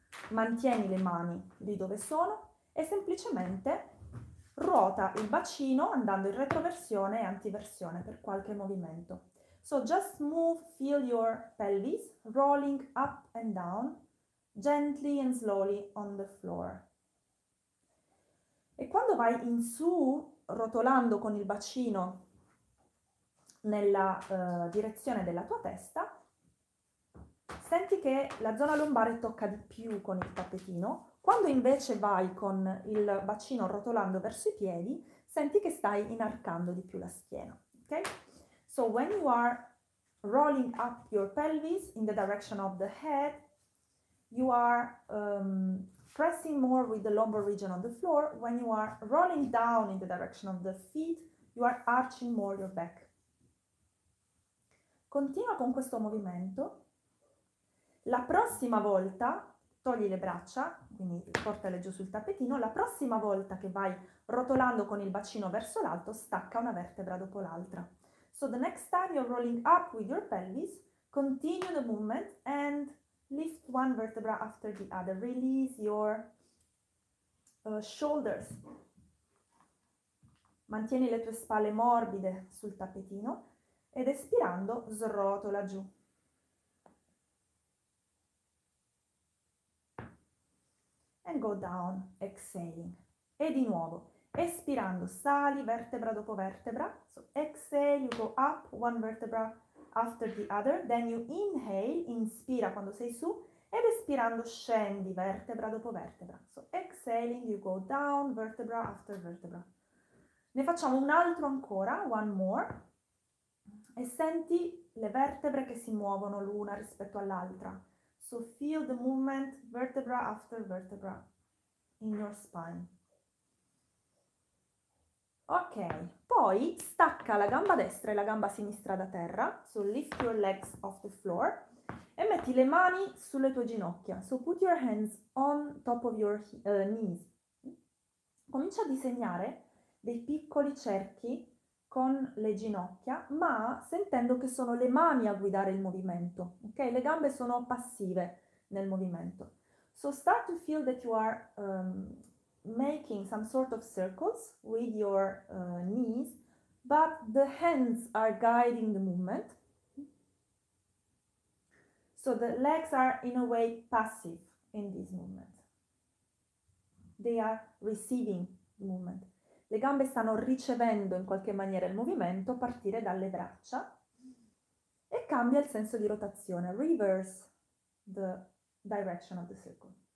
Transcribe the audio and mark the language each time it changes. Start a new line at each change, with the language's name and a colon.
Italian: Mantieni le mani lì dove sono e semplicemente ruota il bacino andando in retroversione e antiversione per qualche movimento.
English: So just move, feel your pelvis rolling up and down, gently and slowly on the floor.
Italian: E quando vai in su, rotolando con il bacino nella direzione della tua testa, senti che la zona lombare tocca di più con il tappetino. Quando invece vai con il bacino rotolando verso i piedi, senti che stai inarcando di più la schiena. Ok?
English: So when you are rolling up your pelvis in the direction of the head, you are pressing more with the lumbar region on the floor. When you are rolling down in the direction of the feet, you are arching more your back.
Italian: Continua con questo movimento. La prossima volta, togli le braccia, quindi portale giù sul tappetino, la prossima volta che vai rotolando con il bacino verso l'alto, stacca una vertebra dopo l'altra.
English: So the next time you're rolling up with your pelvis, continue the movement and lift one vertebra after the other. Release your shoulders.
Italian: Mantieni le tue spalle morbide sul tappetino ed espirando, srotola giù.
English: And go down, exhaling.
Italian: E di nuovo, espirando, sali vertebra dopo vertebra.
English: So exhale, you go up one vertebra after the other. Then you inhale,
Italian: inspira quando sei su, ed espirando scendi vertebra dopo vertebra.
English: So exhaling, you go down vertebra after vertebra.
Italian: Ne facciamo un altro ancora,
English: one more.
Italian: E senti le vertebre che si muovono l'una rispetto all'altra.
English: So feel the movement vertebra after vertebra in your spine.
Italian: Ok, poi stacca la gamba destra e la gamba sinistra da terra.
English: So lift your legs off the floor
Italian: e metti le mani sulle tue ginocchia.
English: So put your hands on top of your knees.
Italian: Comincia a disegnare dei piccoli cerchi con le ginocchia, ma sentendo che sono le mani a guidare il movimento, ok? Le gambe sono passive nel movimento.
English: So start to feel that you are making some sort of circles with your knees, but the hands are guiding the movement. So the legs are in a way passive in this movement. They are receiving the movement.
Italian: Le gambe stanno ricevendo in qualche maniera il movimento a partire dalle braccia e cambia il senso di rotazione.
English: Reverse the direction of the circle.